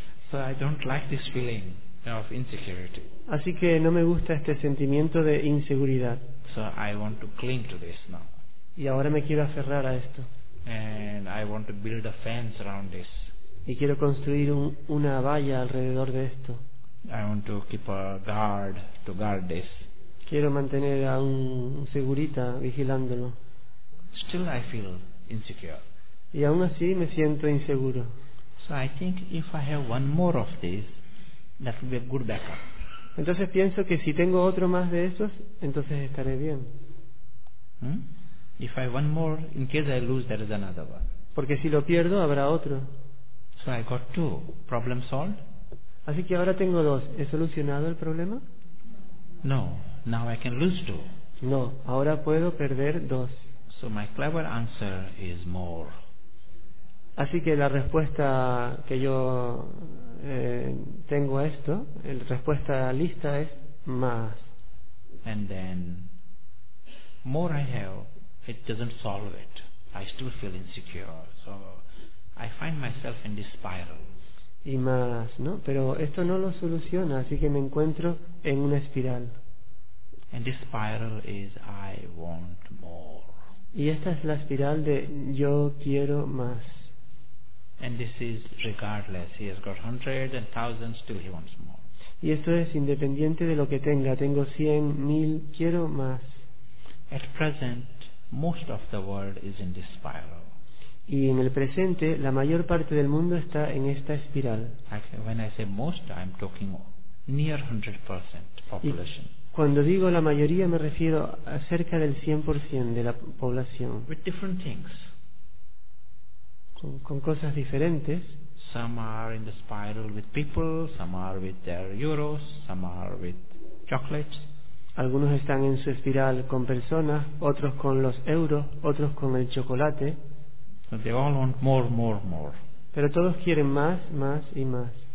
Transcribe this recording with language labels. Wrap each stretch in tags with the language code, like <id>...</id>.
<en>So I don't like this feeling of insecurity.</en> <es>Así que no me gusta este sentimiento de inseguridad.</es> <en>So I want to cling to this now.</en> <es>Y ahora me quiero aferrar a esto.</es> <en>And I want to build a fence around this.</en> <es>Y quiero construir una valla alrededor de esto.</es> <en>I want to keep a guard to guard this.</en> <es>Quiero mantener a un segurita vigilándolo.</es> <en>Still I feel insecure.</en> <es>Y aún así me siento inseguro.</es> <en>So I think if I have one more of this, that would be a good backup.</en> <es>Entonces pienso que si tengo otro más de esos, entonces estaré bien.</es> <en>If I want more, in case I lose, there is another one.</en> <es>Porque si lo pierdo, habrá otro.</es> <en>So I got two. Problem solved.</en> <es>Así que ahora tengo dos. ¿He solucionado el problema?</es> <en>No. Now I can lose two.</en> <es>No. Ahora puedo perder dos.</es> <en>So my clever answer is more.</en> <es>Así que la respuesta que yo tengo a esto, la respuesta lista es más.</es> <en>And then more I have, it doesn't solve it. I still feel insecure. So I find myself in this spiral.</en> <es>Y más, ¿no? Pero esto no lo soluciona, así que me encuentro en una espiral.</es> <en>And this spiral is I want more.</en> <es>Y esta es la espiral de yo quiero más.</es> <en>And this is regardless. He has got hundreds and thousands, still he wants more.</en> <es>Y esto es independiente de lo que tenga. Tengo 100,000, quiero más.</es> <en>At present, most of the world is in this spiral.</en> <es>Y en el presente, la mayor parte del mundo está en esta espiral.</es> <en>When I say most, I'm talking near 100% population.</en> <es>Cuando digo la mayoría, me refiero a cerca del 100% de la población.</es> <en>With different things.</en> <es>Con cosas diferentes.</es> <en>Some are in the spiral with people, some are with their euros, some are with chocolates.</en> <es>Algunos están en su espiral con personas, otros con los euros, otros con el chocolate.</es> <en>But they all want more, more, more.</en> <es>Pero todos quieren más, más y más.</es>